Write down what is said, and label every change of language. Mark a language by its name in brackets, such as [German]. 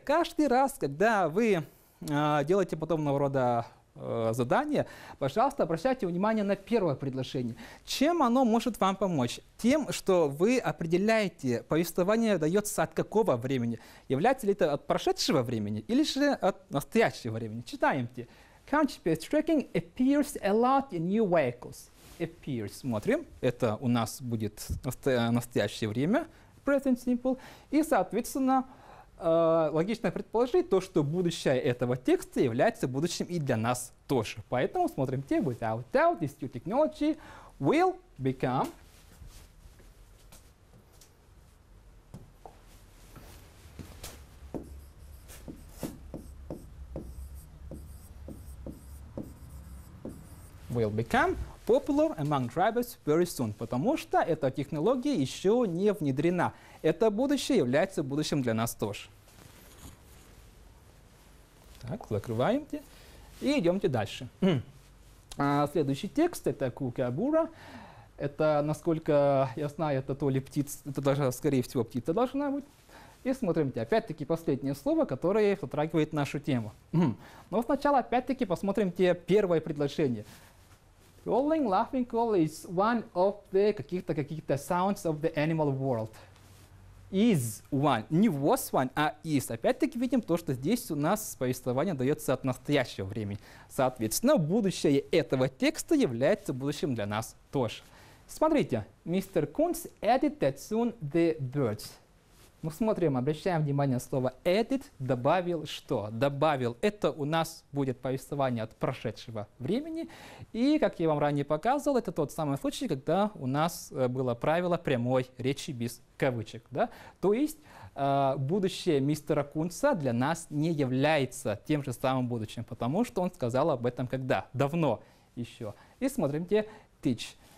[Russian] Каждый раз, когда вы делаете подобного рода задание, пожалуйста, обращайте внимание на первое предложение. Чем оно может вам помочь? Тем, что вы определяете, повествование дается от какого времени. Является ли это от прошедшего времени или же от настоящего времени? Читаемте. [English] Country-based tracking appears a lot in new vehicles. [Russian] Appears. Смотрим. Это у нас будет настоящее время. Present simple. И, соответственно, логично предположить то, что будущее этого текста является будущим и для нас тоже. Поэтому смотрим те, [English] without doubt, this new technology will become. Will become popular among drivers very soon, [Russian] потому что эта технология еще не внедрена. Это будущее является будущим для нас тоже. Так, закрываемте и идемте дальше. Следующий текст — это кукабура. Это, насколько я знаю, это то ли птица, это даже, скорее всего, птица должна быть. И смотрите, опять-таки последнее слово, которое затрагивает нашу тему. Но сначала опять-таки посмотрим те первое предложение. [English] Rolling laughing call is one of the [Russian] каких-то [English] sounds of the animal world. Is one. Не was one, а is. [Russian] Опять-таки видим то, что здесь у нас повествование дается от настоящего времени. Соответственно, будущее этого текста является будущим для нас тоже. Смотрите. Mr. [English] Kunz added that soon the birds. [Russian] Мы смотрим, обращаем внимание на слово added, добавил что? Добавил. Это у нас будет повествование от прошедшего времени. И, как я вам ранее показывал, это тот самый случай, когда у нас было правило прямой речи без кавычек. Да? То есть будущее мистера Кунца для нас не является тем же самым будущим, потому что он сказал об этом когда? Давно еще. И смотрим те teach.